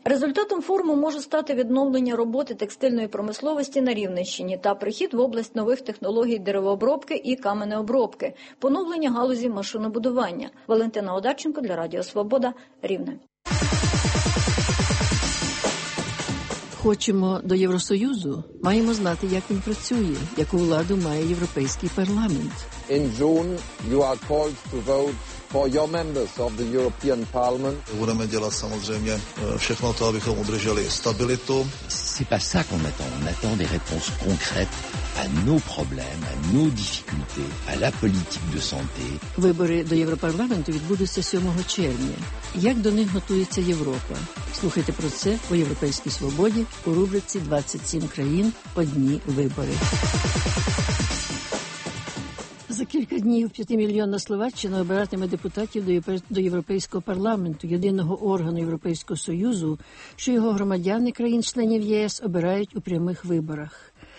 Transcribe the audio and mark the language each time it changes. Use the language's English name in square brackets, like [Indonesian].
[Ukrainian] Результатом форуму може стати відновлення роботи текстильної промисловості на Рівненщині та прихід в область нових технологій деревообробки і каменеобробки, поновлення галузі машинобудування. Валентина Одарченко для Радіо Свобода, Рівне. Хочемо до Євросоюзу, маємо знати, як він працює, яку владу має Європейський парламент. [English] In June you are called to vote for your members of the European Parliament. [Ukrainian] Будемо робити, [Czech] samozřejmě, všechno to, abychom udrželi stabilitu. [French] C'est pas ça qu'on attend, on attend des réponses concrètes à nos problèmes, à nos difficultés, à la politique de santé. [Ukrainian] Вибори до Європарламенту відбудуться 7 червня. Як до них готується Європа? Слухайте про це у Європейській свободі у рубриці «27 країн. Одні вибори». За кілька днів 5-мільйонна Словаччина обиратиме депутатів до Європейського парламенту, єдиного органу Європейського Союзу, що його громадяни країн-членів ЄС обирають у прямих виборах.